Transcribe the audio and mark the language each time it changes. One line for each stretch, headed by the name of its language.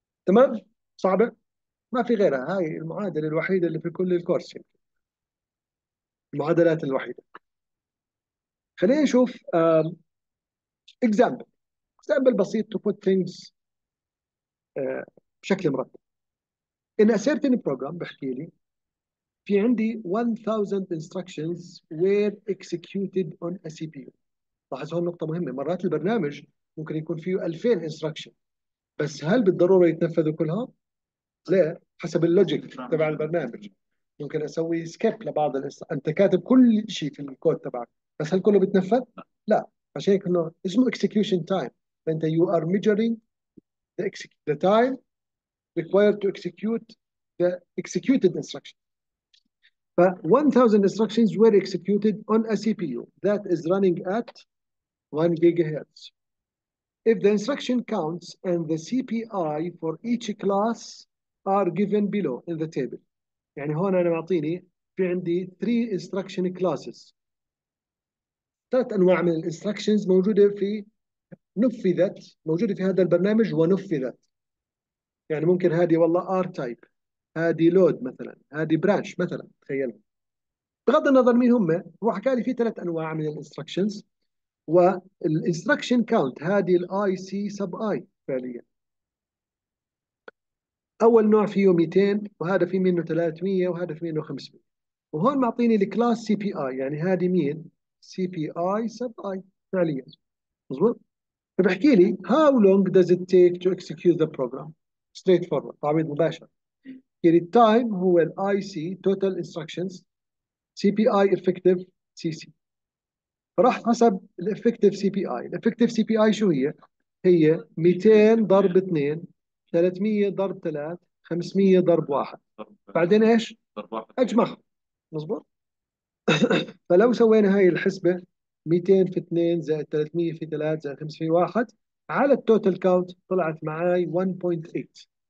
Arabic: تمام؟ صعبة؟ ما في غيرها، هاي المعادلة الوحيدة اللي في كل الكورس، يمكن المعادلات الوحيدة. خلينا نشوف اكزامبل بسيط
English: to put things
Arabic: بشكل مرتب.
English: In a certain program
Arabic: بحكي لي في عندي
English: 1000 instructions were executed on a CPU.
Arabic: لاحظ هون نقطة مهمة، مرات البرنامج ممكن يكون فيه 2000 instruction، بس هل بالضرورة يتنفذوا كلها؟ لا، حسب اللوجيك تبع البرنامج ممكن أسوي سكيب لبعض أنت كاتب كل شيء في الكود تبعك، بس هل كله بيتنفذ؟ لا، عشان هيك اسمه execution time.
English: فأنت you are measuring the time required to execute the executed instruction. ف 1000 instructions were executed on a CPU that is running at 1 gigahertz. If the instruction counts and the CPI for each class are given below in the table.
Arabic: يعني هون انا معطيني في عندي 3 instruction classes. ثلاث انواع من الانستركشنز موجوده في نفذت، موجوده في هذا البرنامج ونفذت. يعني ممكن هذه والله ار تايب، هذه لود مثلا، هذه برانش مثلا، تخيل. بغض النظر مين هم، هو حكى لي في ثلاث انواع من الانستركشنز، والانستركشن كاونت هذه الاي سي سب اي فعليا. اول نوع فيه 200 وهذا فيه منه 300 وهذا فيه منه 500. وهون معطيني الكلاس سي بي اي، يعني هذه مين؟ سي بي اي سب اي فعليا. مظبوط؟ فبحكي لي
English: how long does it take to execute the program straightforward،
Arabic: تعويض مباشر. يعني التايم هو الـ IC total instructions CPI effective CC. فراح حسب الـ effective CPI. الـ effective CPI شو هي؟ هي 200 ضرب 2، 300 ضرب 3، 500 ضرب 1، بعدين ايش؟ اجمع. مظبوط؟ فلو سوينا هاي الحسبة 200 في 2 زائد 300 في 3 زائد 500 في 1 على التوتال كاونت، طلعت معاي 1.8.